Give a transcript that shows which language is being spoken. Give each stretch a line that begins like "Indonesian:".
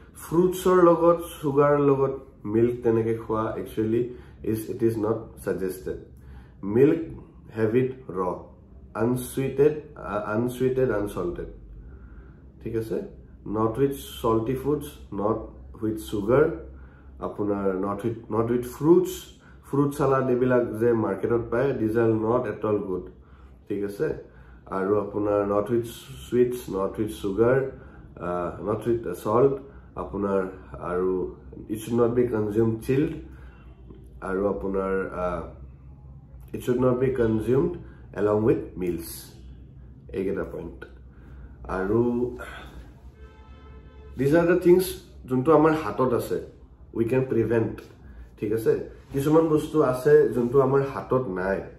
Assamese: ফ্ৰুটছৰ লগত চুগাৰৰ লগত মিল্ক তেনেকৈ খোৱা actually
English: it is not suggested. Milk have it raw, unsweetened, unsalted.
Assamese: ঠিক আছে,
English: not with salty foods, not with sugar, আপোনাৰ not with fruits, fruit salad
Assamese: এইবিলাক যে মাৰ্কেটত পায়
English: these are not at all good.
Assamese: ঠিক আছে, আৰু আপোনাৰ
English: not with sweets, not with sugar, not with salt,
Assamese: আপোনাৰ আৰু
English: it should not be consumed chilled.
Assamese: আৰু আপোনাৰ
English: it should not be consumed along with meals,
Assamese: এইকেইটা পইণ্ট. আৰু
English: these are the things
Assamese: যোনটো আমাৰ হাতত আছে,
English: We can prevent.
Assamese: ঠিক আছে, কিছুমান বস্তু আছে যোনটো আমাৰ হাতত নাই,